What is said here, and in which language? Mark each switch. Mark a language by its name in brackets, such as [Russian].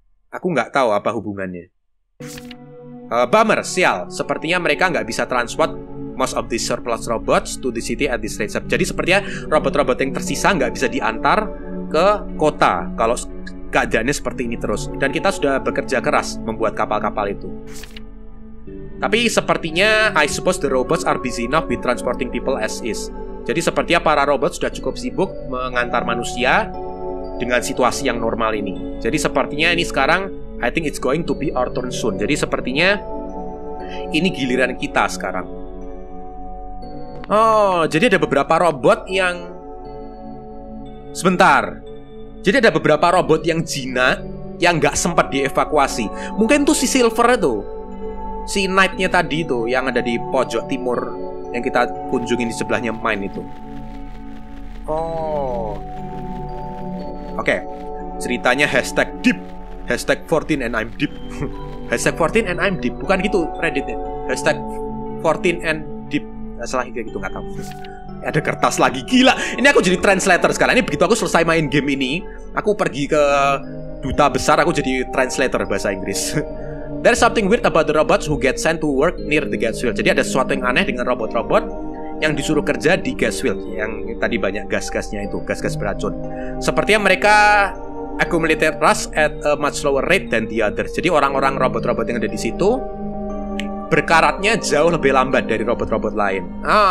[Indonesian] Aku nggak tahu apa hubungannya. Bummer, sial. Sepertinya mereka nggak bisa [English] transport most of these surplus robots to the city at this rate. [Indonesian] Jadi sepertinya robot-robot yang tersisa nggak bisa diantar ke kota kalau keadaannya seperti ini terus. Dan kita sudah bekerja keras membuat kapal-kapal itu. Tapi sepertinya [English] I suppose the robots are busy enough with transporting people as is. [Indonesian] Jadi sepertinya para robot sudah cukup sibuk mengantar manusia dengan situasi yang normal ini. Jadi sepertinya ini sekarang, [English] I think it's going to be our turn soon. [Indonesian] Jadi sepertinya ini giliran kita sekarang. Oh, jadi ada beberapa robot yang... Sebentar. Jadi ada beberapa robot yang jinak yang nggak sempat dievakuasi. Mungkin tuh si Silver itu. Si Knight-nya tadi itu yang ada di pojok timur. Yang kita kunjungin di sebelahnya mine itu. Oh. [English] Oke. Ceritanya hashtag deep. Hashtag 14 and I'm deep. Hashtag 14 and I'm deep. [Indonesian] Bukan gitu Reddit-nya. Hashtag 14 and deep. Salah gitu, gak tahu. Ada kertas lagi. Gila. Ini aku jadi translator sekarang. Ini begitu aku selesai main game ini, aku pergi ke duta besar, aku jadi translator bahasa Inggris. [English] There's something weird about the robots who get sent to work near the gas field. [Indonesian] Jadi ada sesuatu yang aneh dengan robot-robot yang disuruh kerja di gas field, yang tadi banyak gas-gasnya itu, gas-gas beracun. Sepertinya mereka [English] accumulate rust at a much slower rate than the others. [Indonesian] Jadi orang-orang robot-robot yang ada di situ berkaratnya jauh lebih lambat dari robot-robot lain.